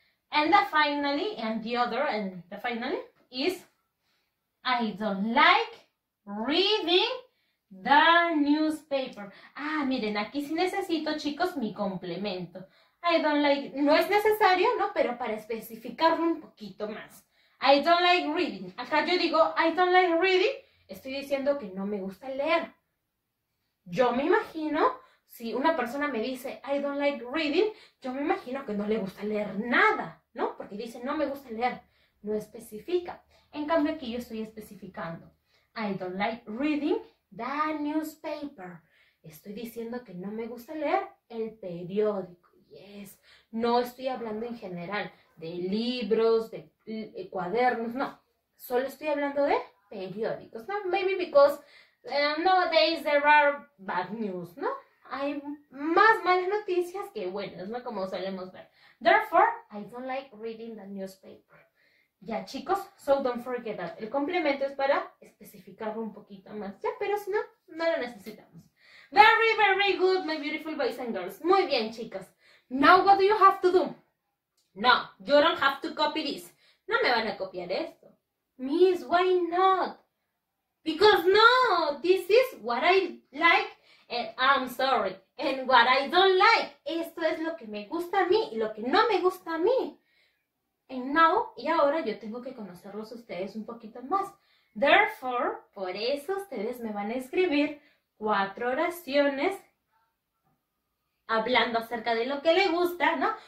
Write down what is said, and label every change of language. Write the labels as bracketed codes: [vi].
[en] And the finally, and the other, and the finally is, I don't like reading the newspaper. [es] Ah, miren, aquí sí necesito, chicos, mi complemento. [en] I don't like, [es] no es necesario, ¿no? Pero para especificarlo un poquito más. [en] I don't like reading. [es] Acá yo digo, I don't like reading. Estoy diciendo que no me gusta leer. Yo me imagino Si una persona me dice, I don't like reading, yo me imagino que no le gusta leer nada, ¿no? Porque dice, no me gusta leer. No especifica. En cambio, aquí yo estoy especificando, [en] I don't like reading the newspaper. [es] Estoy diciendo que no me gusta leer el periódico. [en] Yes. [es] No estoy hablando en general de libros, de cuadernos, no. Solo estoy hablando de periódicos, ¿no? [en] Maybe because nowadays there are bad news, [es] ¿no? Hay más malas noticias que buenas, ¿no? Como solemos ver. [en] Therefore, I don't like reading the newspaper. [es] Ya, chicos, [en] so don't forget that. [es] El complemento es para especificarlo un poquito más. Ya, pero si no, no lo necesitamos. [en] Very, very good, my beautiful boys and girls. [es] Muy bien, chicos. [en] Now, what do you have to do? No, you don't have to copy this. [es] No me van a copiar esto. [en] Miss, why not? Because no, this is what I like. And I'm sorry, and what I don't like. [es] Esto es lo que me gusta a mí y lo que no me gusta a mí. [en] And now, [es] y ahora yo tengo que conocerlos ustedes un poquito más. [en] Therefore, [es] por eso ustedes me van a escribir cuatro oraciones hablando acerca de lo que le gusta, ¿no?